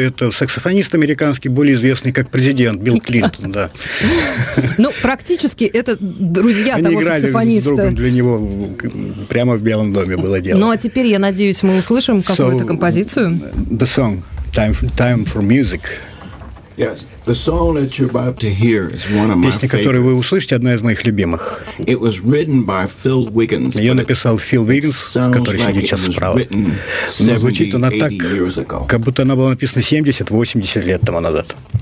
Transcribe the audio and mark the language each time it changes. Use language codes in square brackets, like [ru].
[ru] Это саксофонист американский, более известный как президент Билл Клинтон, да. Ну, практически это друзья они того саксофониста. Они играли с другом для него прямо в Белом доме было дело. Ну, а теперь, я надеюсь, мы услышим какую-то композицию. [en] The song, time for music. Yes, the song that you're about to hear is one of my favorites. [ru] Песня, которую вы услышите, одна из моих любимых. [en] It was written by Phil Wiggins. [ru] Ее написал Фил Виггинс, который сидит сейчас справа. Но звучит она так, как будто она была написана 70-80 лет тому назад.